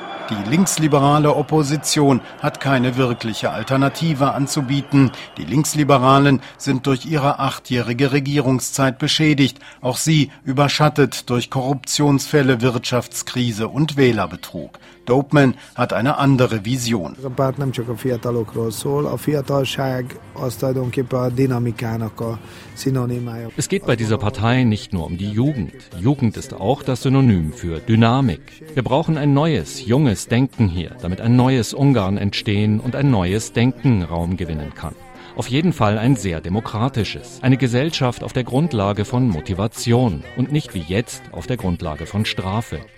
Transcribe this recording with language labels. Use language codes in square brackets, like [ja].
[de] Die linksliberale Opposition hat keine wirkliche Alternative anzubieten. Die Linksliberalen sind durch ihre 8-jährige Regierungszeit beschädigt. Auch sie überschattet durch Korruptionsfälle, Wirtschaftskrise und Wählerbetrug. Dopman hat eine andere Vision. [hu] Ez a párt nem csak a fiatalokról szól, a fiatalság az tulajdonképpen a dinamikának a szinonimája. [de] Es geht bei dieser Partei nicht nur um die Jugend. Jugend ist auch das Synonym für Dynamik. Wir brauchen ein neues, junges Denken hier, damit ein neues Ungarn entstehen und ein neues Denken Raum gewinnen kann. Auf jeden Fall ein sehr demokratisches. Eine Gesellschaft auf der Grundlage von Motivation und nicht wie jetzt auf der Grundlage von Strafe.